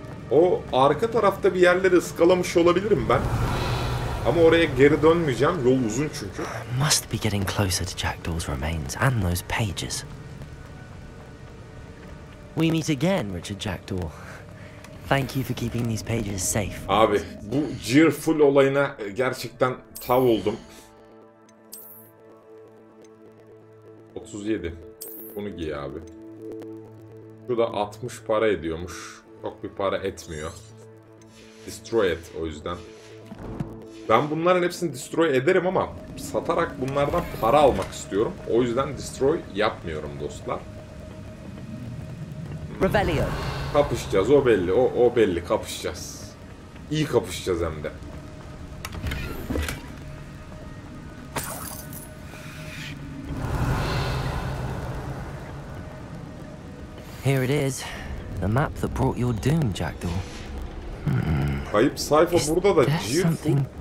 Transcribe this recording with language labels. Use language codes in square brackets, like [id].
[tr] O arka tarafta bir yerleri ıskalamış olabilirim ben. Ama oraya geri dönmeyeceğim. Yol uzun çünkü. [en] Must be getting closer to Jackdaw's remains and those pages. We meet again, Richard Jackdaw. Thank you for keeping these pages safe. [tr] Abi, bu cheerful olayına gerçekten tav oldum. 37. Bunu giy abi. Şu da 60 para ediyormuş. Çok bir para etmiyor. Destroy et o yüzden. Ben bunların hepsini destroy ederim ama satarak bunlardan para almak istiyorum. O yüzden destroy yapmıyorum dostlar. Revelio. Kapışacağız o belli. O belli, kapışacağız. İyi kapışacağız hem de. [en] Here it is. The map that brought your doom, Jackdaw. [tr] Kayıp sayfa burada da Jir full.